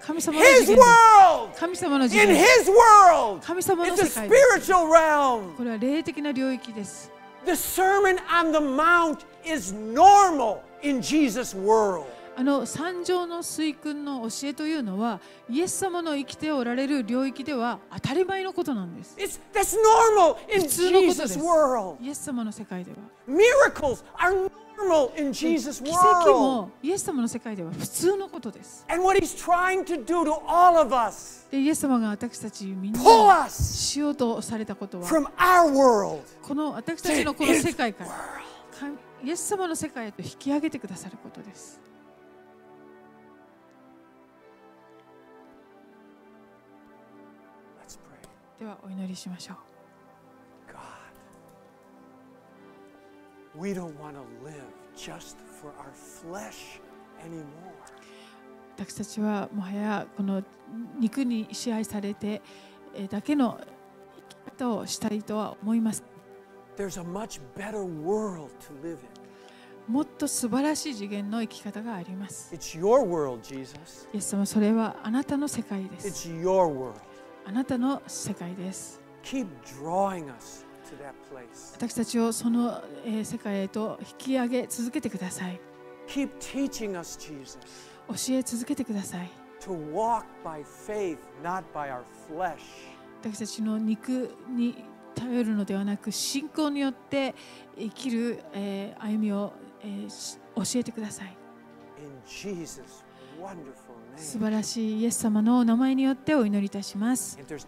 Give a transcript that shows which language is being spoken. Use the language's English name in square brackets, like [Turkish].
[Japanese] 神様の次元、神様の次元、神様の世界、これは霊的な領域です。 [English] The Sermon on the Mount is normal in Jesus' world. [Japanese] 三条の水訓の教えというのはイエス様の生きておられる領域では当たり前のことなんです。 [English] That's normal in Jesus' world. [Japanese] イエス様の世界では [English] Miracles are normal in Jesus' world. [Japanese] 奇跡もイエス様の世界では普通のことです。 [English] And what he's trying to do to all of us. [Japanese] でイエス様が私たちみんなしようとされたことは [English] From our world. [Japanese] この私たちのこの世界からイエス様の世界へと引き上げてくださることです。ではお祈りしましょう。 [English] God, we don't want to live just for our flesh anymore. [Japanese] 私たちはもはやこの肉に支配されてだけの生き方をしたいとは思います。 [English] There's a much better world to live in. [Japanese] もっと素晴らしい次元の生き方があります。 [English] It's your world, Jesus. [Japanese] イエス様、それはあなたの世界です。 [English] It's your world. [Japanese] あなたの世界です。 [English] Keep drawing us to that place. [Japanese] 私たちをその世界へと引き上げ続けてください。 [English] Keep teaching us, Jesus. [Japanese] 教え続けてください。 [English] To walk by faith, not by our flesh. [Japanese] 私たちの肉に頼るのではなく、信仰によって生きる歩みを教えてください。 [English] In Jesus, wonderful. [Japanese] 素晴らしいイエス様のお名前によってお祈りいたします。